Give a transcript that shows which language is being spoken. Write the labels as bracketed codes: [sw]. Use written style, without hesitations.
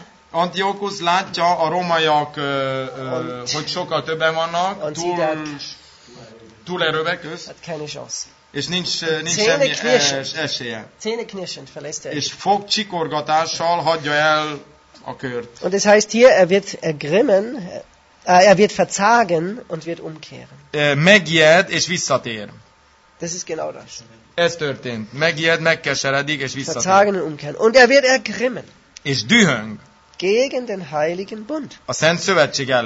[hu] Antiochus látja a romaiak, hogy sokkal többen vannak, túl erővek ősz. És nincs semmi esélye. És fog csikorgatással hagyja el a kört. [de] Und es heißt hier, er wird ergrimmen, er wird verzagen und wird umkehren. [hu] Megijed és visszatér. [de] Das ist genau das. [hu] Ez történt. Megijed, megkeseredik és visszatér. [de] Verzagen und umkehren. Und er wird ergrimmen. [hu] És dühöng. [de] Gegen den heiligen Bund. [hu] A Szent Szövetség ellen.